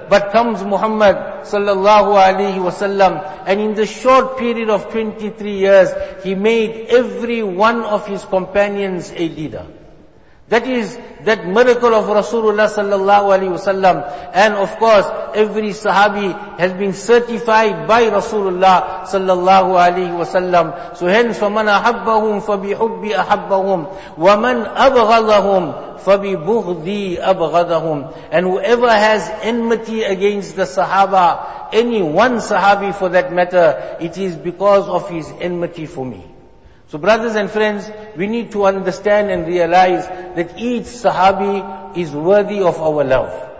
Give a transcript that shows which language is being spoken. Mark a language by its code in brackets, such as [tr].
[en] But comes Muhammad sallallahu alayhi wa sallam, and in the short period of 23 years, he made every one of his companions a leader. That is that miracle of Rasulullah sallallahu alayhi wa sallam. And of course, every sahabi has been certified by Rasulullah sallallahu alayhi wa sallam. So hence, [ar] فَمَنْ أَحَبَّهُمْ فَبِحُبِّ أَحَبَّهُمْ وَمَنْ أَبْغَضَهُمْ فَبِبُغْضِي أَبْغَضَهُمْ. [en] And whoever has enmity against the sahaba, any one sahabi for that matter, it is because of his enmity for me. So brothers and friends, we need to understand and realize that each sahabi is worthy of our love.